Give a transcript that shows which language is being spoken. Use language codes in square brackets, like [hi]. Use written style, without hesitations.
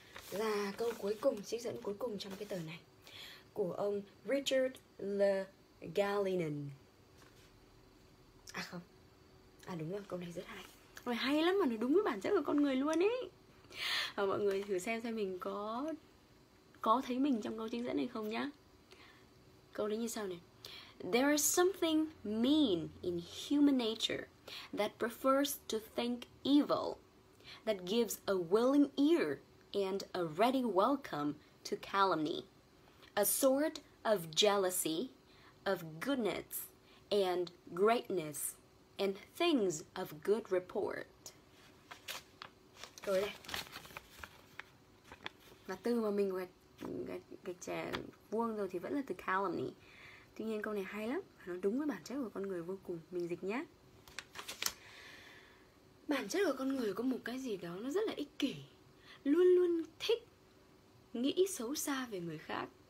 [vi] Là câu cuối cùng, trích dẫn cuối cùng trong cái tờ này của ông Richard Le Gallienne. À không, à đúng rồi, câu này rất hay. Rồi hay lắm mà nó đúng với bản chất của con người luôn ý. Và mọi người thử xem mình có thấy mình trong câu trích dẫn này không nhá. Câu đấy như sau này. [en] There is something mean in human nature that prefers to think evil, that gives a willing ear and a ready welcome to calumny, a sort of jealousy of goodness and greatness and things of good report. [vi] Rồi đây. Mà từ mà mình gạch vuông rồi thì vẫn là từ calumny. Tuy nhiên câu này hay lắm, nó đúng với bản chất của con người vô cùng. Mình dịch nhé. Bản chất của con người có một cái gì đó nó rất là ích kỷ, luôn luôn thích nghĩ xấu xa về người khác.